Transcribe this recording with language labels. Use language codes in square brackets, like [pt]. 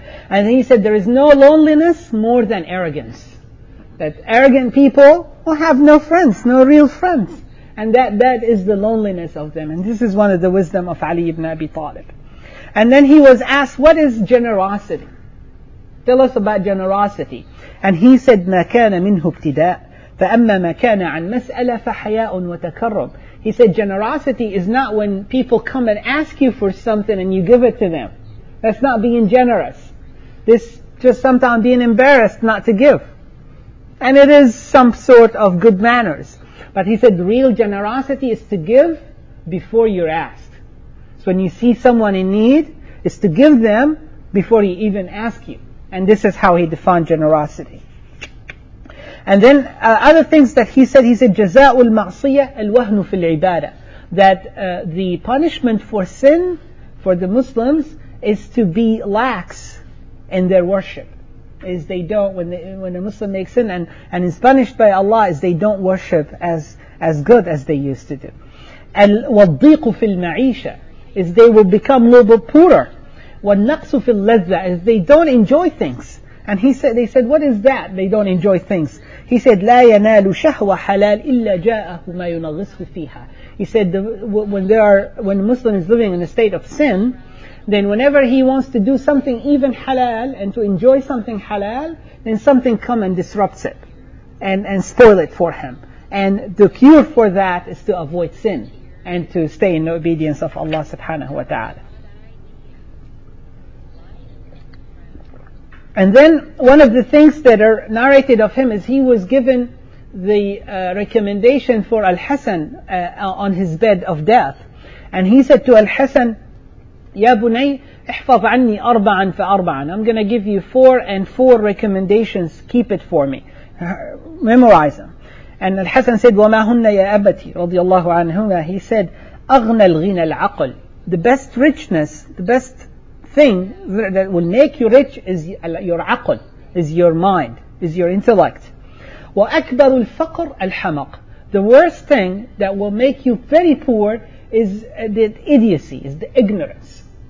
[en] And then he said there is no loneliness more than arrogance. That arrogant people will have no friends, no real friends. And that is the loneliness of them. And this is one of the wisdom of Ali ibn Abi Talib. And then he was asked, what is generosity? Tell us about generosity. And he said, [ar] مَا كَانَ مِنْهُ ابْتِدَاءُ فَأَمَّا مَا كَانَ عَنْ مَسْأَلَ فَحَيَاءٌ وَتَكَرُّمٌ. [en] He said, generosity is not when people come and ask you for something and you give it to them. That's not being generous. This just sometimes being embarrassed not to give. And it is some sort of good manners. But he said, real generosity is to give before you're asked. So when you see someone in need, it's to give them before he even asks you. And this is how he defined generosity. And then other things that he said, [ar] جَزَاءُ الْمَعْصِيَةِ الْوَهْنُ فِي الْعِبَادَةِ [en] that the punishment for sin for the Muslims is to be lax in their worship. Is they don't, when a Muslim makes sin and is punished by Allah, is they don't worship as good as they used to do. [ar] وَالضِّيقُ فِي الْمَعِيشَةِ [en] is they will become a little bit poorer. [ar] وَالنَّقْسُ فِي اللَّذَّةِ [en] is they don't enjoy things. And he said, they said, what is that? They don't enjoy things. He said, [ar] لَا يَنَالُ شَهْوَ حَلَالٍ إِلَّا جَاءَهُ مَا يُنَغِّصُ فِيهَا. [en] He said, when a Muslim is living in a state of sin, then whenever he wants to do something even halal and to enjoy something halal, then something comes and disrupts it and spoil it for him. And the cure for that is to avoid sin and to stay in the obedience of Allah subhanahu wa ta'ala. And then one of the things that are narrated of him is he was given the recommendation for Al-Hasan on his bed of death. And he said to Al-Hasan, [ar] يا بني احفظ عني أربعا فأربعا. [en] I'm gonna give you four and four recommendations. Keep it for me. Memorize them. And Al-Hasan said, [ar] وما هن يا أبتي رضي الله عنهما. He said, أغنى الغنى العقل. [en] The best richness, the best thing that will make you rich is your عقل, is your mind, is your intellect. [ar] وأكبر الفقر الحمق. [en] The worst thing that will make you very poor is the idiocy, is the ignorance.